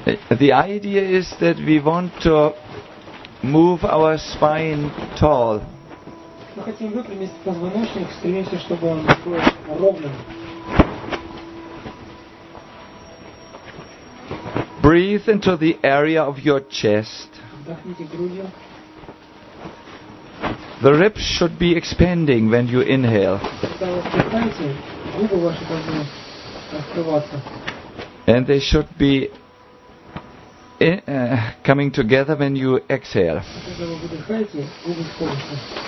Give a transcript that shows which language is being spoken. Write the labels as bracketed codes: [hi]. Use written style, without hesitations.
[en] The idea is that we want to move our spine tall. [ru] Мы хотим выпрямить позвоночник, стремимся, чтобы он был ровным. [en] Breathe into the area of your chest. [ru] Вдохните грудью. [en] The ribs should be expanding when you inhale. [ru] Когда вы вдыхаете, губы ваши должны раскрываться. [en] And they should be coming together when you exhale. [ru] Когда вы выдыхаете, губы сходятся.